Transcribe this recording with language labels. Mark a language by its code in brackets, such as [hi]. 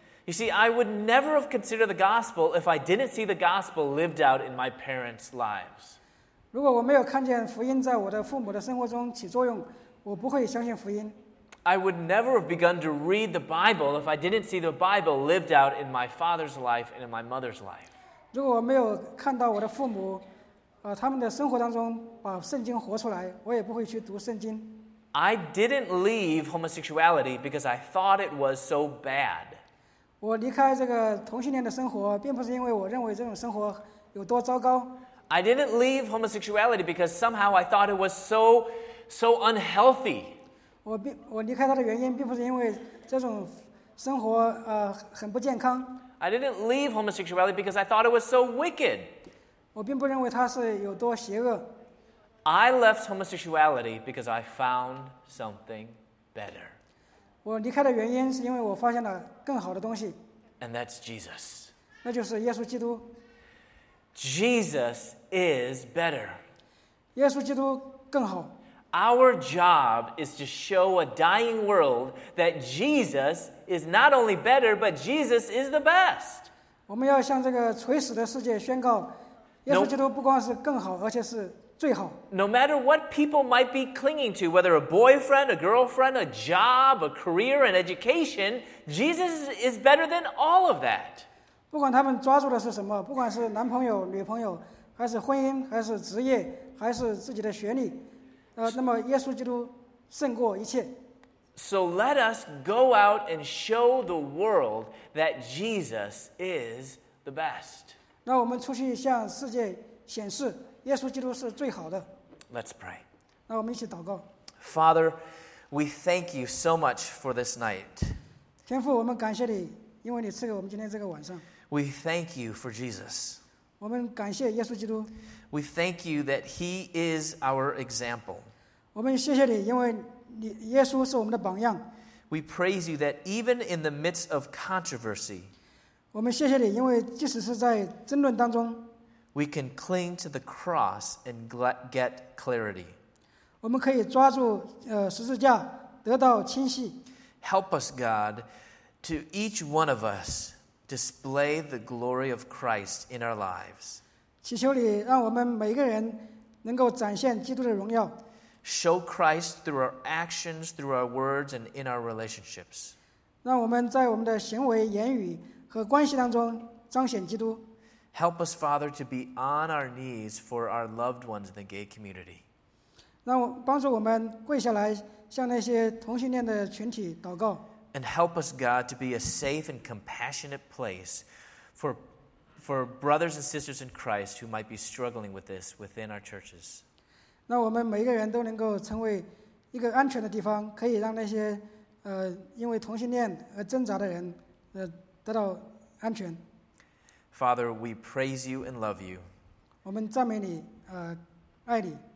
[en] You see, I would never have considered the gospel if I didn't see the gospel lived out in my parents' lives. [zh] 如果我没有看见福音在我的父母的生活中起作用，我不会相信福音。 [en] I would never have begun to read the Bible if I didn't see the Bible lived out in my father's life and in my mother's life. [zh] 如果我没有看到我的父母，他们的生活当中把圣经活出来，我也不会去读圣经。 [en] I didn't leave homosexuality because I thought it was so bad. [zh] 我离开这个同性恋的生活，并不是因为我认为这种生活有多糟糕。 [en] I didn't leave homosexuality because somehow I thought it was so unhealthy. [zh] 我离开他的原因并不是因为这种生活很不健康。 [en] I didn't leave homosexuality because I thought it was so wicked. [zh] 我并不认为它是有多邪恶。 [en] I left homosexuality because I found something better. [zh] 我离开的原因是因为我发现了更好的东西。 [en] And that's Jesus. [zh] 那就是耶稣基督。 [en] Jesus is better. [zh] 耶稣基督更好。 [en] Our job is to show a dying world that Jesus is not only better, but Jesus is the best. [zh] 我们要向这个垂死的世界宣告，耶稣基督不光是更好，而且是最好。 [en] No matter what people might be clinging to, whether a boyfriend, a girlfriend, a job, a career, an education, Jesus is better than all of that. [zh] 不管他们抓住的是什么，不管是男朋友、女朋友，还是婚姻，还是职业，还是自己的学历。那么耶稣基督胜过一切。 [en] So let us go out and show the world that Jesus is the best. [zh] 那我们出去向世界显示耶稣基督是最好的。 [en] Let's pray. [zh] 那我们一起祷告。 [en] Father, we thank you so much for this night. [zh] 天父，我们感谢你，因为你赐给我们今天这个晚上。 [en] We thank you for Jesus. [zh] 我们感谢耶稣基督。 [en] We thank you that he is our example. [zh] 我们谢谢你，因为你耶稣是我们的榜样。 [en] We praise you that even in the midst of controversy, [zh] 我们谢谢你，因为即使是在争论当中， [en] we can cling to the cross and get clarity. [zh] 我们可以抓住十字架，得到清晰。 [en] Help us, God, to each one of us display the glory of Christ in our lives. [zh] 祈求你让我们每个人能够展现基督的荣耀。 [en] Show Christ through our actions, through our words, and in our relationships. [zh] 让我们在我们的行为、言语和关系当中彰显基督。 [en] Help us, Father, to be on our knees for our loved ones in the gay community. [zh] 让我帮助我们跪下来向那些同性恋的群体祷告。 [en] And help us, God, to be a safe and compassionate place for brothers and sisters in Christ who might be struggling with this within our churches. [zh] 那我们每一个人都能够成为一个安全的地方，可以让那些因为同性恋而挣扎的人得到安全。 [en] Father, we praise you and love you. [zh] 我们赞美你，爱你。